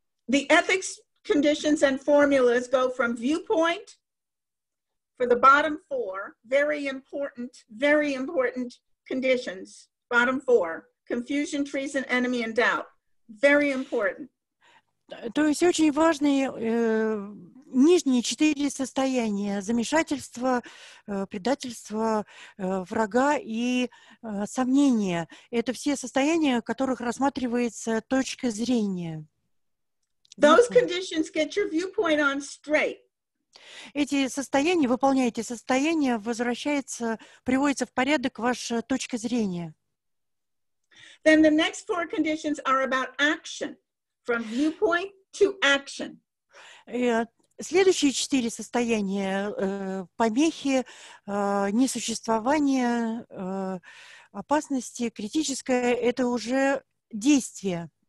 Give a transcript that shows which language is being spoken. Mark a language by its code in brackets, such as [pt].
[en] The ethics conditions and formulas go from viewpoint for the bottom four, very important conditions, bottom four, confusion, treason, enemy, and doubt. Very important. [ru] То есть очень важные нижние четыре состояния: замешательство, предательство, врага и сомнения. Это все состояния, которых рассматривается точка зрения. [en] Those conditions get your viewpoint on straight. [ru] Эти состояния, выполняя эти состояния, возвращается, приводится в порядок ваша точка зрения. [en] Then the next four conditions are about action. From viewpoint to action. [ru] Следующие четыре состояния – помехи, несуществование, опасности, критическое – это уже действие.